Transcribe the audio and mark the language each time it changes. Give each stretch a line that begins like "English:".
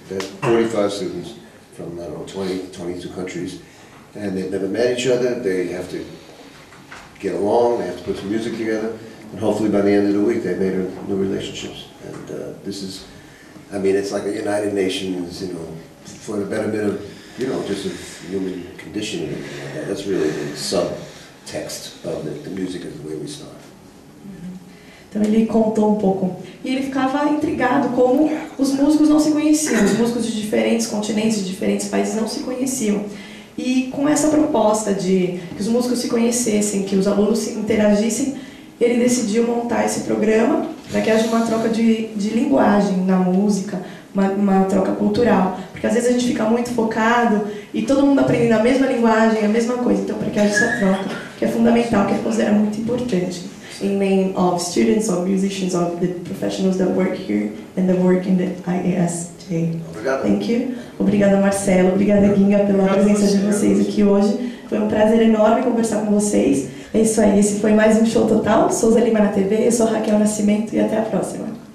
English: There are 45 students from, I don't know, 20, 22 countries, and they've never met each other, they have to get along, they have to put some music together, and hopefully by the end of the week they've made new relationships. And this is, I mean, it's like a United Nations, you know, for the betterment of, you know, just of human condition. That's really the subtext of it. The music is the way we start.
Portuguese: Então ele contou um pouco. E ele ficava intrigado como os músicos não se conheciam, os músicos de diferentes continentes, de diferentes países não se conheciam. E com essa proposta de que os músicos se conhecessem, que os alunos se interagissem, ele decidiu montar esse programa para que haja uma troca de linguagem na música, uma troca cultural. Porque às vezes a gente fica muito focado e todo mundo aprendendo a mesma linguagem, a mesma coisa. Então para que haja essa troca, que é fundamental, que ele considera muito importante.
English: In name of students, of musicians, of the professionals that work here and that work in the IAS today.
Portuguese: Obrigado.
English: Thank you.
Portuguese: Obrigada,
English: Marcelo.
Portuguese: Obrigada, Ginga, pela presença de vocês aqui hoje. Foi um prazer enorme conversar com vocês. É isso aí. Esse foi mais um Show Total. Souza Lima na TV. Eu sou Raquel Nascimento e até a próxima.